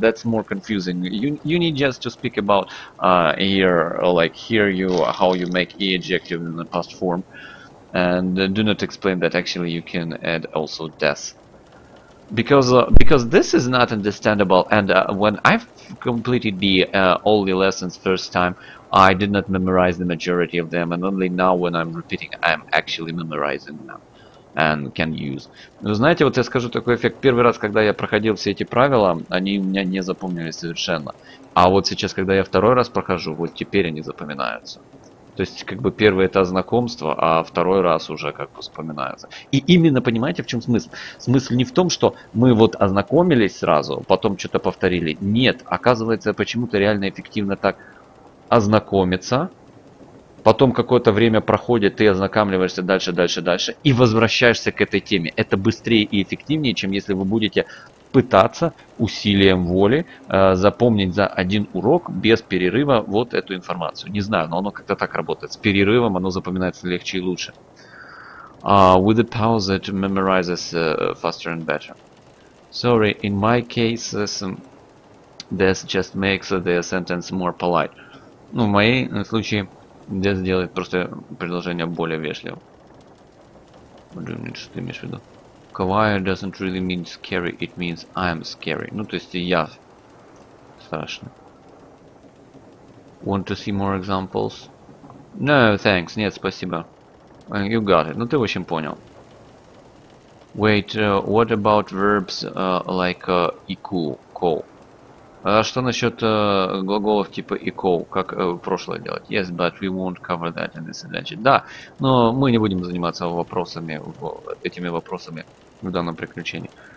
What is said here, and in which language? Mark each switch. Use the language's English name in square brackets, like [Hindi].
[English] That's more confusing. You need just to speak about here, like here you how you make e adjective in the past form, and do not explain that actually you can add also des, because this is not understandable. And when I've completed the all the lessons first time, I did not memorize the majority of them, and only now when I'm repeating, I'm actually memorizing them. And can use. [Russian] Ну, знаете, вот я скажу такой эффект. Первый раз, когда я проходил все эти правила, они у меня не запомнились совершенно. А вот сейчас, когда я второй раз прохожу, вот теперь они запоминаются. То есть, как бы, первый это знакомство, а второй раз уже как бы вспоминается. И именно, понимаете, в чем смысл? Смысл не в том, что мы вот ознакомились сразу, потом что-то повторили. Нет, оказывается, почему-то реально эффективно так ознакомиться. Потом какое-то время проходит, ты ознакомливаешься дальше, дальше, дальше и возвращаешься к этой теме. Это быстрее и эффективнее, чем если вы будете пытаться усилием воли запомнить за один урок без перерыва вот эту информацию. Не знаю, но оно как-то так работает. С перерывом оно запоминается легче и лучше. [English] With a pause it memorizes faster and better. Sorry, in my case, This just makes the sentence more polite. [Russian] Ну, в моем случае, this делает просто предложение более вежливым. Что ты имеешь в виду? [English] Quiet doesn't really mean scary, it means I'm scary. [Russian] Ну, то есть я страшный. [English] Want to see more examples? No, thanks. [Russian] Нет, спасибо. [English] You got it. [Russian] Ну, ты очень понял. [English] Wait, what about verbs like equal, call? [Russian] А что насчет глаголов типа equal, как прошлое делать? [English] Yes, but we won't cover that in this adventure. [Russian] Да, но мы не будем заниматься вопросами, этими вопросами в данном приключении.